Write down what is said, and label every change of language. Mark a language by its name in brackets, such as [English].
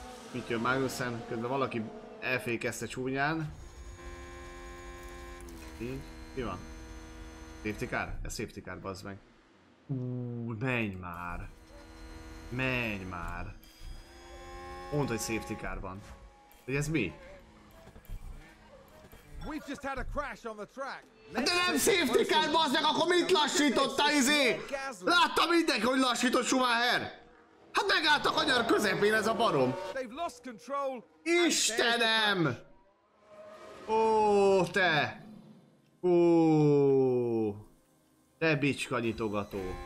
[Hungarian] Itt jön Magnussen, közben valaki elfékezte csúnyán. Így, mi van? Safety car? Ez safety car, bazd meg. Menj már! Menj már! Mondd, hogy safety car van. Hogy ez mi? [English] We've just had a crash on the track. [Hungarian] Hát de nem safety car, bazd meg! Akkor mit lassította, izé? Látta mindenki, hogy lassított Schumacher! Hát megállt a kanyar közepén ez a barom! Istenem! Ó, te! Ó! Te bicska nyitogató!